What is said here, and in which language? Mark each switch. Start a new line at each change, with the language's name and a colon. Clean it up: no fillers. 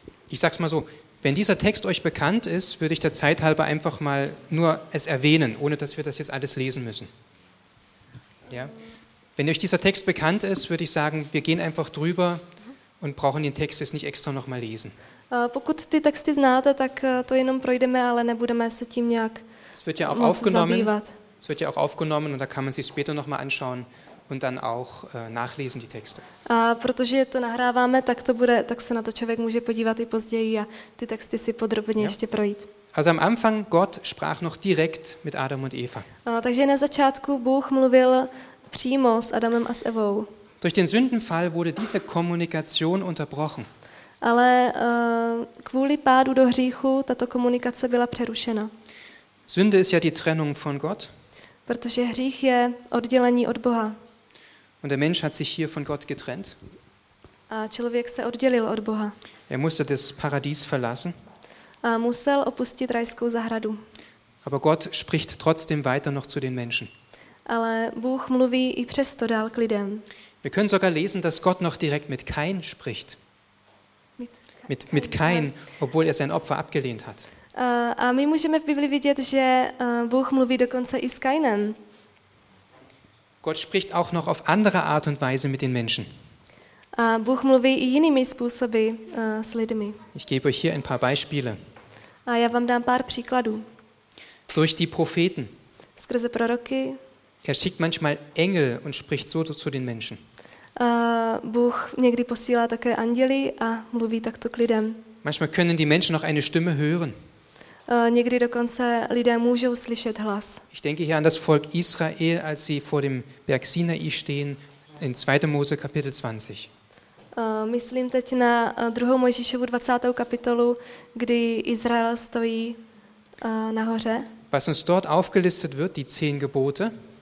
German: ich sag's mal so, wenn dieser Text euch bekannt ist, würde ich der Zeit halber einfach mal nur es erwähnen, ohne dass wir das jetzt alles lesen müssen. Ja? Wenn euch dieser Text bekannt ist, würde ich sagen, wir gehen einfach drüber und brauchen den Text jetzt nicht extra nochmal lesen.
Czech: Pokud ty texty znáte, tak to jenom projdeme, ale nebudeme se tím nějak zabývat.
German: Es wird ja auch aufgenommen und da kann man sich später nochmal anschauen und dann auch nachlesen die Texte.
Czech: A protože to nahráváme, tak to bude, tak se na to člověk může podívat i později a ty texty si podrobně ještě projít.
German: Also am Anfang Gott sprach noch direkt mit Adam und Eva.
Czech: Takže na začátku Bůh mluvil přímo s Adamem a s Evou.
German: Durch den Sündenfall wurde diese Kommunikation unterbrochen.
Czech: Ale kvůli pádu do hříchu tato komunikace byla přerušena.
German: Sünde ist ja die Trennung von Gott.
Czech: Protože hřích je oddělení od Boha.
German: Und der Mensch hat sich hier von Gott getrennt.
Czech: A člověk se oddělil od Boha.
German: Er musste das Paradies verlassen.
Czech: A musel opustit rajskou zahradu.
German: Aber Gott spricht trotzdem weiter noch zu den Menschen.
Czech: Ale Bůh mluví i přesto dál k lidem.
German: Wir können sogar lesen, dass Gott noch direkt mit Kain spricht. Mit Kain, obwohl er sein Opfer abgelehnt hat.
Czech: A my můžeme v Bibli vidět, že Bůh mluví dokonce i s Kainem.
German: Gott spricht auch noch auf andere Art und Weise mit den Menschen.
Czech: A Bůh mluví i jinými způsoby s lidmi.
German: Ich gebe euch hier ein paar Beispiele.
Czech: A já vám dám pár příkladů.
German: Durch die Propheten.
Czech: Skrze proroky.
German: Er schickt manchmal Engel und spricht so zu den Menschen.
Czech: Bůh někdy posílá také anděli a mluví takto k lidem.
German: Manchmal können die Menschen noch eine Stimme hören.
Czech: Někdy dokonce lidé můžou slyšet hlas.
German: Ich denke hier an das Volk Israel, als sie vor dem Berg Sinai stehen in 2. Mose Kapitel 20.
Czech: Myslím teď na 2. Mojžíšovu 20. kapitolu, kdy Izrael stojí nahoře.
German: Was uns dort aufgelistet wird, die 10 Gebote.